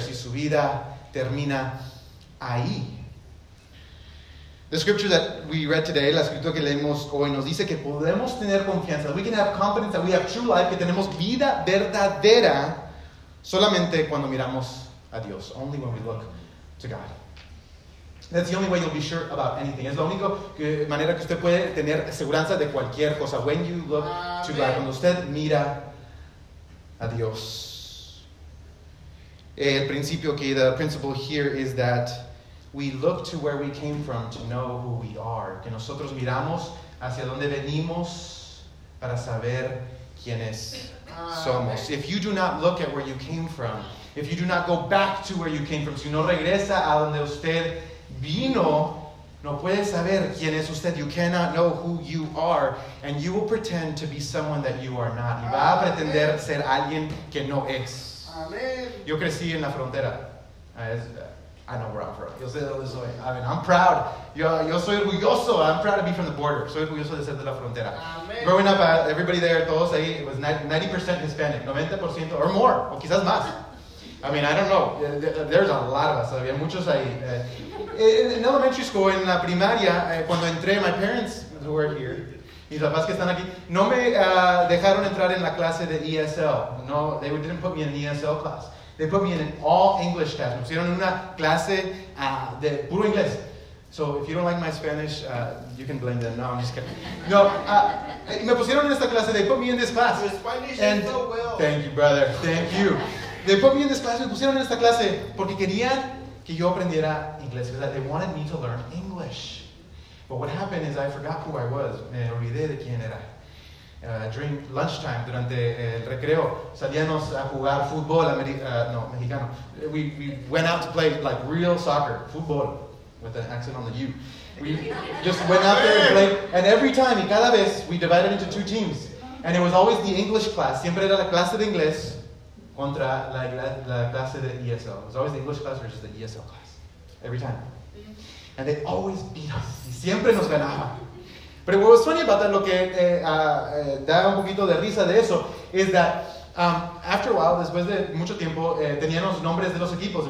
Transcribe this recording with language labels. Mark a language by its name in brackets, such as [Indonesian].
[Spanish] Si su vida termina ahí. [English] The scripture that we read today, [Spanish] la escritura que leemos hoy, nos dice que podemos tener confianza. [English] We can have confidence that we have true life, [Spanish] que tenemos vida verdadera, solamente cuando miramos a Dios. [English] Only when we look to God. That's the only way you'll be sure about anything. [Spanish] Es la única manera que usted puede tener seguridad de cualquier cosa. [English] When you look to God. [Spanish] Cuando usted mira a Dios. El principio aquí, [English] the principle here is that we look to where we came from to know who we are. [Spanish] Que nosotros miramos hacia donde venimos para saber quiénes somos. [English] If you do not look at where you came from, if you do not go back to where you came from, [Spanish] si no regresa a donde usted vino, no puede saber quién es usted. [English] You cannot know who you are, and you will pretend to be someone that you are not. [Spanish] Y va a pretender ser alguien que no es. Amen. Yo crecí en la frontera. [English] I know where I'm from. [Spanish] Yo sé de dónde soy. [English] I mean, I'm proud. [Spanish] Yo soy orgulloso. [English] I'm proud to be from the border. [Spanish] Soy orgulloso de ser de la frontera. Amen. [English] Growing up, everybody there, [Spanish] todos ahí, [English] it was 90% Hispanic. 90% or more, [Spanish] o quizás más. [English] I mean, I don't know. There's a lot of us. [Spanish] Había muchos ahí. [English] In elementary school, [Spanish] en la primaria, cuando entré, [English] my parents, who are here, [Spanish] mis papás que están aquí, no me dejaron entrar en la clase de ESL. [English] No, they didn't put me in an ESL class. They put me in an all-English class. [Spanish] Me pusieron en una clase de puro inglés. [English] So, if you don't like my Spanish, you can blame them. No, I'm just kidding. No, [Spanish] me pusieron en esta clase. [English] They put me in this class. Your Spanish is so well. Thank you, brother. Thank you. They put me in this class, [Spanish] me pusieron en esta clase porque querían que yo aprendiera inglés. [English] Because they wanted me to learn English. But what happened is I forgot who I was. [Spanish] Me olvidé de quién era. [English] During lunchtime, [Spanish] durante el recreo, salíamos a jugar fútbol, mexicano. [English] We went out to play like real soccer, fútbol, with an accent on the U. We just went out there and played. And every time, [Spanish] y cada vez, [English] we divided into two teams. And it was always the English class. [Spanish] Siempre era la clase de inglés contra la clase de ESL. [English] It was always the English class versus the ESL class. Every time. And they always beat us. [Spanish] Y siempre nos ganaban. Pero [English] what was funny about that, [Spanish] lo que da un poquito de risa de eso, [English] is that after a while, [Spanish] después de mucho tiempo, teníamos nombres de los equipos.